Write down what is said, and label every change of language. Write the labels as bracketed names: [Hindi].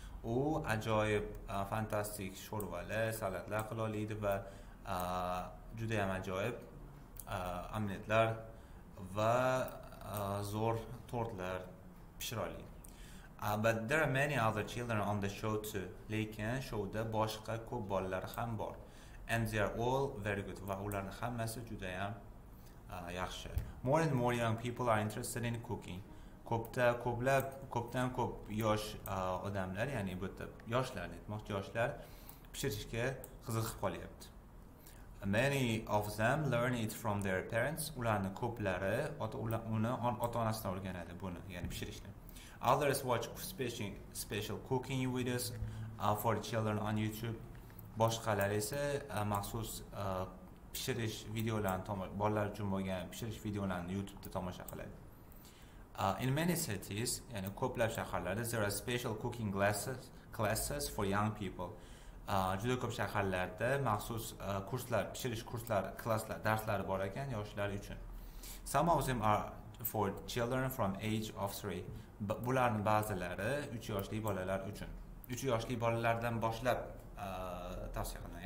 [Uzbek] U ajoyib fantastik shorvalar, salatlar qila oladi va juda ham ajoyib omletlar va zo'r tortlar pishira oladi. [English] But there are many other children on the show too. [Uzbek] Lekin showda boshqa ko'p bolalar ham bor. [English] And they are all very good. [Uzbek] Va ularning hammasi juda ham yaxshi. [English] More and more young people are interested in cooking. [Uzbek] Ko'pdan-ko'p yosh odamlar, ya'ni bu yoshlar, aytmoqchi yoshlar pishirishga qiziqib qolyapti. [English] Many of them learn it from their parents. [Uzbek] Ularning ko'plari ota-onasidan o'rganadi buni, ya'ni pishirishni. [English] Others watch special cooking videos for children on YouTube. [Uzbek] Boshqalar esa maxsus pishirish videolarini, bolalar uchun bo'lgan pishirish videolarini YouTube'da tomosha qiladi. [English] In many cities, [Uzbek] ya'ni ko'plab shaharlarda [English] there are special cooking classes for young people. [Uzbek] Juda ko'p shaharlarda maxsus kurslar, pishirish kurslari, klasslar, darslari bor ekan yoshlar uchun. [English] Some of them are for children from age of 3. [Uzbek] Bularning ba'zilari 3 yoshli bolalar uchun. 3 yoshli bolalardan boshlab tavsiya qilinadi.